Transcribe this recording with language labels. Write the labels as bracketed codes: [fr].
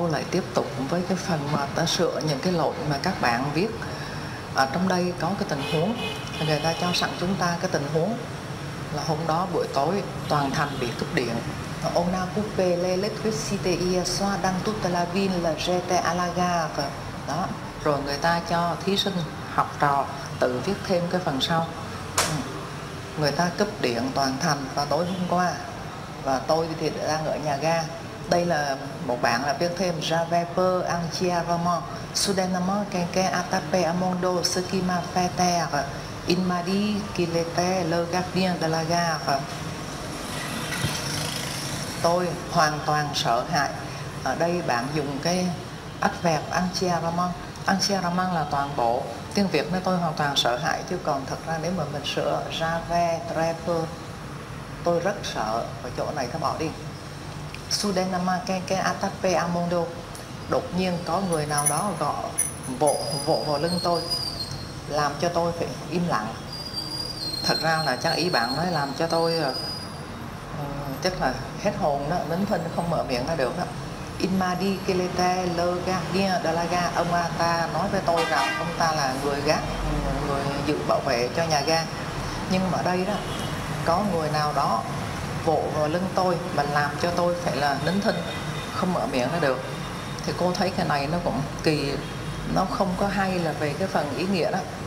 [vi] tiếp tục với cái phần mà ta sửa những cái lỗi mà các bạn viết. Ở trong đây có cái tình huống, người ta cho sẵn chúng ta cái tình huống là hôm đó buổi tối toàn thành bị cúp điện. [fr] On a coupé l'électricité hier soir dans toute la ville, j'étais à la gare. [vi] Đó. Rồi người ta cho thí sinh, học trò tự viết thêm cái phần sau. Người ta cúp điện toàn thành vào tối hôm qua và tôi thì đang ở nhà ga. Đây là một bạn là viết thêm [fr] j'avais peur en chiavement soudainement quelqu'un a tapé à mon dos ce qui m'a fait taire il m'a dit qu'il était le gardien de la gare. [vi] Tôi hoàn toàn sợ hãi. Ở đây bạn dùng cái adverb en chiavement. En chiavement là toàn bộ. Tiếng Việt nói tôi hoàn toàn sợ hãi, chứ còn thật ra nếu mà mình sửa [fr] j'avais très peur, [vi] tôi rất sợ, và chỗ này ta bỏ đi. [fr] Soudainement quelqu'un a tapé à mon dos. [vi] Đột nhiên có người nào đó gõ vỗ vào lưng tôi, làm cho tôi phải im lặng. Thật ra là chắc ý bạn nói làm cho tôi chắc là hết hồn đó, nín thinh không mở miệng ra được đó. [fr] Il m'a dit qu'il était le gardien de la gare. [vi] Ông ta nói với tôi rằng ông ta là người gác, người giữ bảo vệ cho nhà ga. Nhưng mà đây đó, có người nào đó vỗ vào lưng tôi mà làm cho tôi phải là nín thinh không mở miệng ra được. Thì cô thấy cái này nó cũng kỳ, nó không có hay là về cái phần ý nghĩa đó.